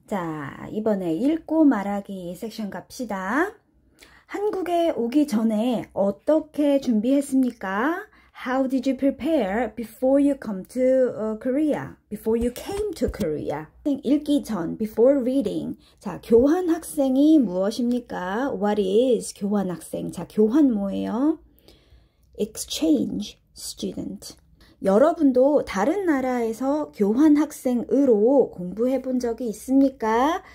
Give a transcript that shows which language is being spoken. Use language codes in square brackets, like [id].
[ko] 자, 이번에 읽고 말하기 섹션 갑시다. 한국에 오기 전에 어떻게 준비했습니까? [en] How did you prepare before you come to Korea? Before you came to Korea? [ko] 읽기 전, [en] before reading. [ko] 자, 교환학생이 무엇입니까? [en] What is 교환학생? [ko] 자, 교환 뭐예요? [en] Exchange student. [ko] 여러분도 다른 나라에서 교환학생으로 공부해 본 적이 있습니까?